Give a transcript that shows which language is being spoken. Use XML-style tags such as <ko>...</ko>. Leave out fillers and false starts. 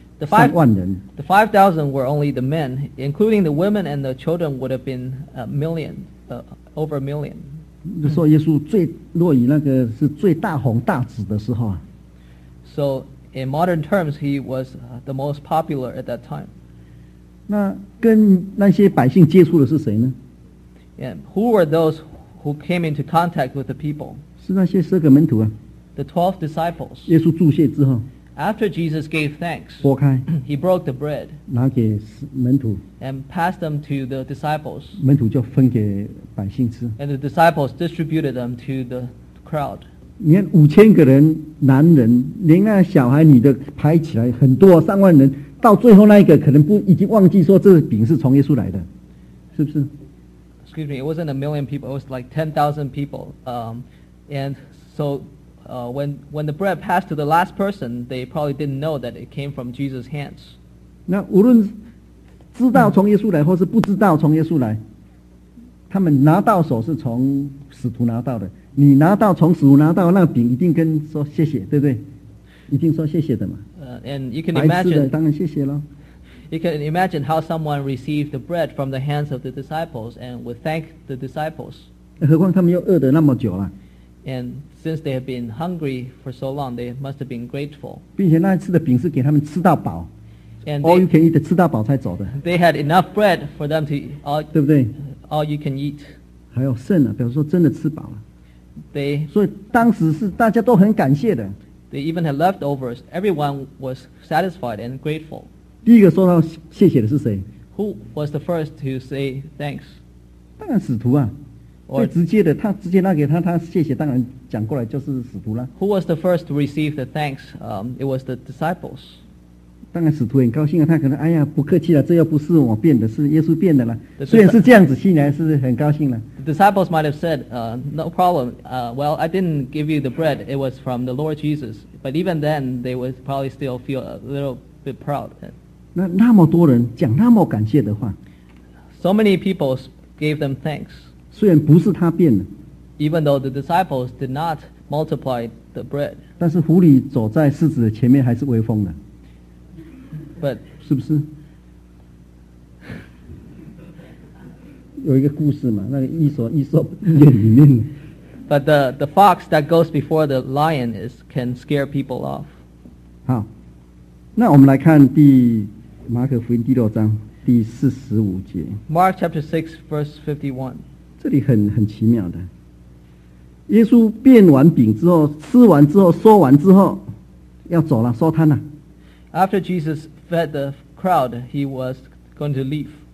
<zh>3万人。</zh> <en>The 5,000 were only the men, including the women and the children would have been a million, over a million.</en> <zh>就说耶稣最若以那个是最大红大紫的时候啊。</zh> <en>So in modern terms, he was the most popular at that time.</en> <zh>那跟那些百姓接触的是谁呢？</zh> <en>And who were those who came into contact with the people?</en> <zh>是那些十二个门徒啊。</zh> <en>The 12 disciples.</en> <zh>耶稣祝谢之后。</zh> <en>After Jesus gave thanks,</en> <zh>擘开,</zh> <en>he broke the bread</en> <zh>拿给门徒,</zh> <en>and passed them to the disciples.</en> <zh>门徒就分给百姓吃,</zh> <en>and the disciples distributed them to the crowd.</en> <zh>你看五千个人男人连那小孩女的排起来很多三万人到最后那一个可能不已经忘记说这饼是从耶稣来的是不是</zh> <en>Excuse me, it wasn't a million people, it was like 10,000 people. And so when the bread passed to the last person, they probably didn't know that it came from Jesus' hands.</en> <zh>那无论知道从耶稣来或是不知道从耶稣来，他们拿到手是从使徒拿到的。你拿到从使徒拿到那饼，一定跟说谢谢，对不对？一定说谢谢的嘛。</zh> <en>And you can imagine,</en> <zh>白吃的当然谢谢咯。</zh> <en>You can imagine how someone received the bread from the hands of the disciples and would thank the disciples.</en> <zh>何况他们又饿得那么久了。</zh> <en>And since they have been hungry for so long, they must have been grateful.</en> <zh>并且那次的饼是给他们吃到饱。</zh> <en>And all you can eat</en> <zh>的吃到饱才走的。</zh> <en>They had enough bread for them to eat.</en> <zh>对不对？</zh> <en>All you can eat.</en> <zh>还有剩了，表示说真的吃饱了。</zh> <en>They,</en> <zh>所以当时是大家都很感谢的。</zh> <en>They even had leftovers. Everyone was satisfied and grateful.</en> <zh>第一个说到谢谢的是谁？</zh> <en>Who was the first to say thanks?</en> <zh>当然使徒啊。最直接的，他直接拿给他，他谢谢，当然讲过来就是使徒了。</zh> <en>Who was the first to receive the thanks? It was the disciples.</en> <zh>当然使徒很高兴啊，他可能哎呀不客气了，这又不是我变的，是耶稣变的了。虽然是这样子，心里还是很高兴了。</zh> <en>The disciples might have said, "No problem. Well, I didn't give you the bread. It was from the Lord Jesus." But even then, they would probably still feel a little bit proud.</en> <zh>那么多人讲那么感谢的话</zh> <en>，So many people gave them thanks.</en> <zh>虽然不是他变的</zh> <en>even though the disciples did not multiply the bread,</en> <zh>但是狐狸走在狮子的前面还是威风的</zh> <en>but,</en> <zh>是不是有一个故事嘛那个伊索寓言里面</zh> <en>but the fox that goes before the lion is, can scare people off</en> <zh>好那我们来看第马可福音第六章第四十五节</zh> <en>Mark chapter 6 verse 51</en> <zh>这里很奇妙的耶稣变完饼之后吃完之后说完之后要走了收摊了</zh> <en>After Jesus fed the crowd He was going to leave</en>